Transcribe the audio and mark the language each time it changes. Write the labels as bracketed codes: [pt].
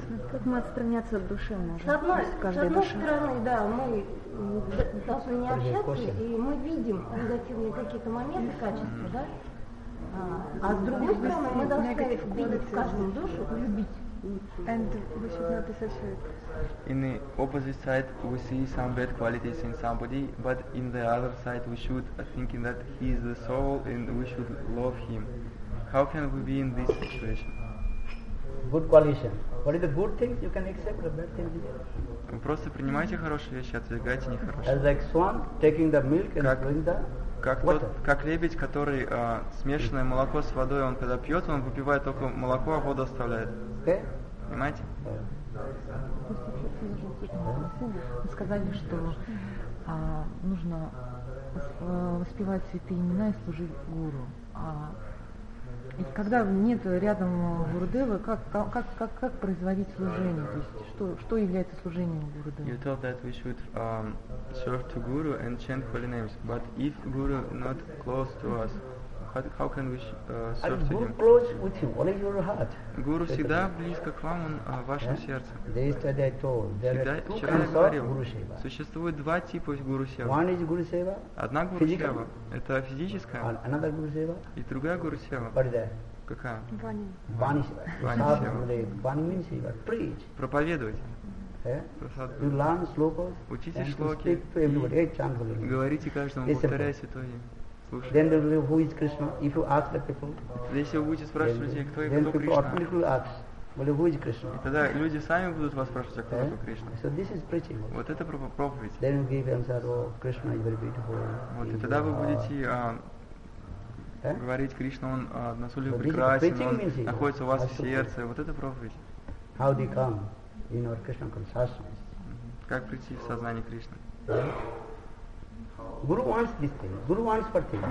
[ru] Как мы отстраняться от души можем? С одной стороны, да, мы должны не общаться, и мы видим негативные какие-то моменты, качества, да? А с другой стороны, мы должны видеть в каждом душу, любить. [en] And we should not associate. In the opposite side, we see some bad qualities in somebody, but in the other side, we should think that he is the soul and we should love him. How can we be in this situation? Good coalition. What is the good thing you can accept, the bad thing you can? [ru] Просто принимайте хорошие вещи, отвергайте нехорошие. [en] As like swan taking the milk and drinking the [ru] Как лебедь, который смешанное молоко с водой, он когда пьет, он выпивает только молоко, а воду оставляет. Понимаете? Вы сказали, что нужно воспевать святые имена и служить гуру. И когда нет рядом Гурудева, как производить служение? То есть что является служением Гурудева? [en] You told that we should serve to Guru and chant holy names. But if Guru not close to us, how can we serve to him? Close with him, only your heart. [ru] Guru всегда близко к вам, он в вашем сердце. [en] Yesterday I told there are two kinds of Guru Seva. [ru] Существует два типа Guru Seva. [en] One is Guru Seva. [ru] Одна Guru Seva. Это физическая. [en] Another Guru Seva. [ru] И другая Guru Seva. [en] What is that? [ru] Какая? [sa] Vani. Vani Seva. Vani Seva. [en] Preach. [ru] Проповедовать. [en] You learn slokas. [ru] Учите шлоки. Говорите каждому, повторяя святое имя. [en] Then they will say, who is Krishna? If you ask the people, then people automatically ask, well, who is Krishna? [ru] И тогда люди сами будут вас спрашивать, кто такой Кришна. [en] So this is preaching. [ru] Вот это проповедь. [en] Then you give answer, oh, Krishna is very beautiful. [ru] Вот, и тогда вы будете говорить, Кришна, он настолько прекрасен, он находится у вас в сердце. Вот это проповедь. [en] How they come in our Krishna consciousness? [ru] Как прийти в сознание Кришны? [en] Guru wants this thing. Guru wants for things.